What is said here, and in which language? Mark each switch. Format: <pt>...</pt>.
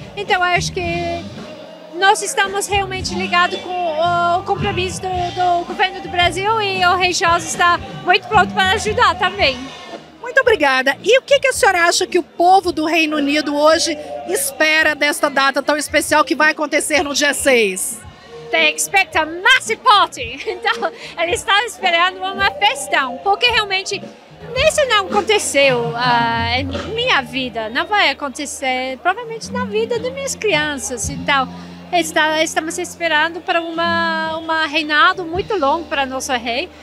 <pt>Então, eu acho que nós estamos realmente ligados com o compromisso do governo do Brasil e o rei Charles está muito pronto para ajudar também. Muito obrigada. E o que a senhora acha que o povo do Reino Unido hoje espera desta data tão especial que vai acontecer no dia 6?</pt> <en>They expect a massive party.</en> <pt>Então, eles estão esperando uma festão, porque realmente isso não aconteceu na minha vida. Não vai acontecer, provavelmente, na vida das minhas crianças. Então, estamos esperando para uma reinado muito longo para nosso rei.</pt>